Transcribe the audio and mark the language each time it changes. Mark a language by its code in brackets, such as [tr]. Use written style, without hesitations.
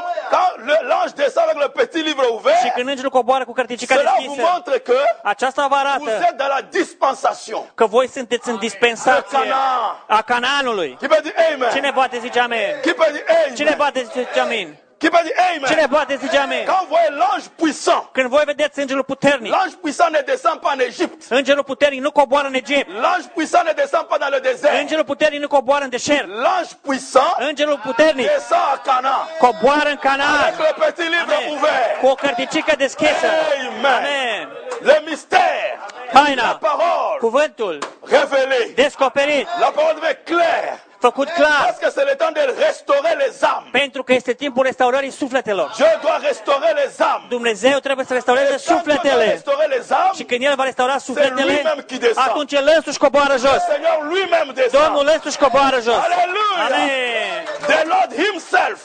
[fr] Quand l'ange descend avec le petit livre ouvert, [ro] și când îngerul coboară cu cărticica [fr] cela [ro] deschisă, [fr] vous montre que [ro] aceasta vă arată [fr] vous êtes dans la dispensation, [ro] că voi sunteți în dispensație [fr] Canaan, [ro] a Canaanului. [fr] Qui peut dire amen? [ro] Cine poate zice amen? [fr] Qui peut dire amen? [ro] Cine poate zice amen? [fr] Qui peut dire amen? [ro] Cine poate zice amen? [fr] Quand vous voyez l'ange puissant, [ro] când voi vedeți îngerul puternic, [fr] l'ange puissant ne descend pas en Egypte, [ro] îngerul puternic nu coboară în Egipt, [fr] l'ange puissant ne descend pas dans le désert, [ro] îngerul puternic nu coboară în deșert, [fr] l'ange puissant, [ro] îngerul puternic [fr] descend à Canaan, [ro] coboară în Canaan, [fr] avec le petit livre ouvert, [ro] cu o cărticică deschisă, amen, amen, [fr] le mystère, [ro] taina, [fr] la parole, [ro] cuvântul [fr] révélé, [ro] descoperit, [fr] la parole devenit clair, [ro] făcut clar, [fr] parce que c'est le temps de restaurer les âmes, [ro] pentru că este timpul restaurării sufletelor. [fr] Dieu doit restaurer les âmes, [ro] Dumnezeu trebuie să restaureze sufletele. Și când el va restaura sufletele, atunci el însuși coboară jos. [fr] Seigneur lui-même descend, [ro] Domnul însuși coboară jos. Alleluia. Amen. [en] The Lord himself,